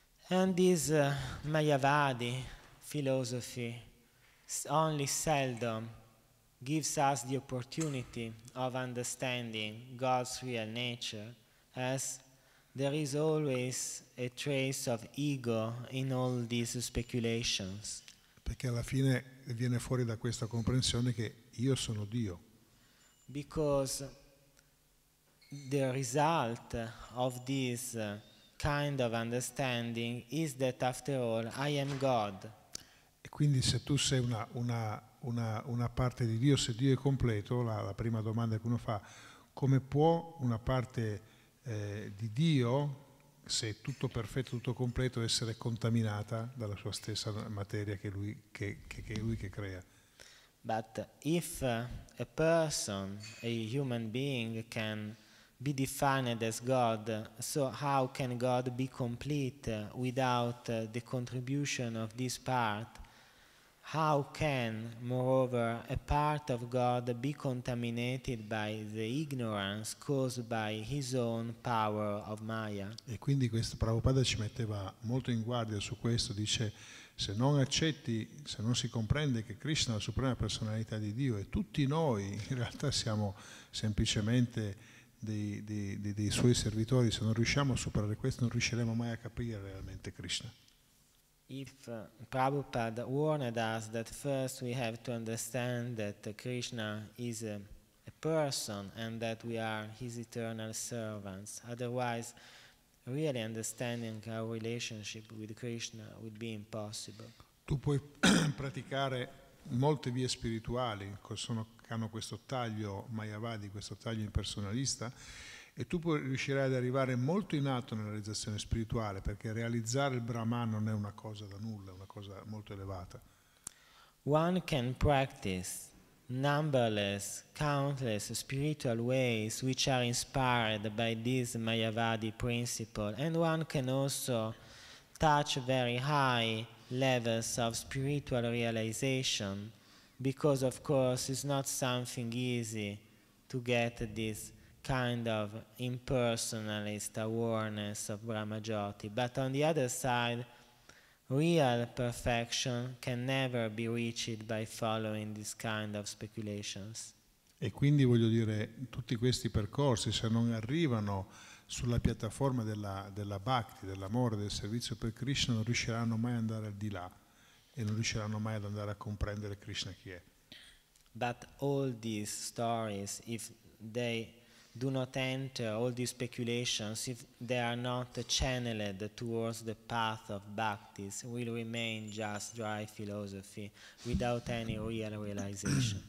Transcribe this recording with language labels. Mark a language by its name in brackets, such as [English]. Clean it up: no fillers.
[English] And this Mayavadi philosophy only seldom gives us the opportunity of understanding God's real nature, as there is always a trace of ego in all these speculations. [Italian] Perché alla fine viene fuori da questa comprensione che io sono Dio. [English] Because the result of this kind of understanding is that after all I am God. [Italian] E quindi se tu sei una parte di Dio, se Dio è completo, la prima domanda che uno fa, come può una parte di Dio, se è tutto perfetto, tutto completo, essere contaminata dalla sua stessa materia che lui crea? [English] But if a person, a human being, can be defined as God, so how can God be complete without the contribution of this part? How can, moreover, a part of God be contaminated by the ignorance caused by his own power of Maya? [Italian] E quindi questo Prabhupada ci metteva molto in guardia su questo, dice: se non accetti, se non si comprende che Krishna è la suprema personalità di Dio e tutti noi in realtà siamo semplicemente dei suoi servitori, se non riusciamo a superare questo non riusciremo mai a capire realmente Krishna. [English] If Prabhupada warned us that first we have to understand that Krishna is a person and that we are his eternal servants, otherwise really understanding our relationship with Krishna would be impossible. [Italian] Tu puoi praticare molte vie spirituali che hanno questo taglio mayavadi, questo taglio impersonalista, e tu riuscirai ad arrivare molto in alto nella realizzazione spirituale, perché realizzare il Brahman non è una cosa da nulla, è una cosa molto elevata. [English] One can practice numberless, countless spiritual ways which are inspired by this mayavadi principle, and one can also touch very high levels of spiritual realization, because of course it's not something easy to get this kind of impersonalist awareness of Brahmajyoti. But on the other side, real perfection can never be reached by following this kind of speculations. [Italian] E quindi voglio dire, tutti questi percorsi, se non arrivano sulla piattaforma della bhakti, dell'amore, del servizio per Krishna, non riusciranno mai ad andare al di là e non riusciranno mai ad andare a comprendere Krishna chi è. [English] But all these stories, if they do not enter all these speculations, if they are not channeled towards the path of bhaktis, will remain just dry philosophy without any real realization.